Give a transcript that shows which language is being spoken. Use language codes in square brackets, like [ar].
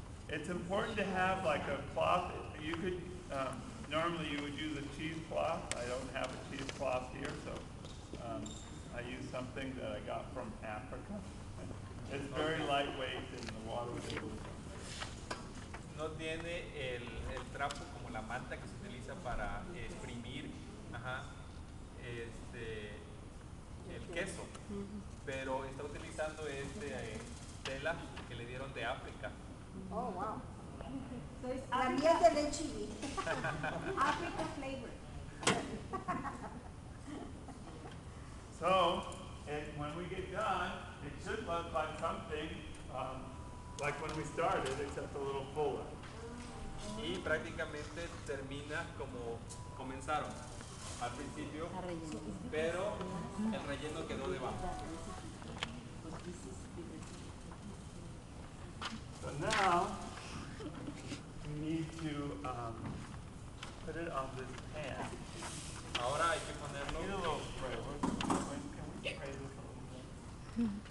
[en] It's important to have like a cloth. You could, normally you would use a cheesecloth. I don't have a cheesecloth here, so I use something that I got from Africa. It's very lightweight and the water will move. [es] No tiene el trapo como la manta que se utiliza para exprimir el queso, pero está utilizando este tela que le dieron de África. [en] Oh, wow. [es] La miel de leche. [en] Africa flavor. So, and when we get done, it should look like something like when we started, except a little fuller. [es] Y prácticamente termina como comenzaron al principio, pero el relleno quedó debajo. [en] So now we need to put it on this pan. [es] Ahora hay que ponerlo. [en] Need a little spray.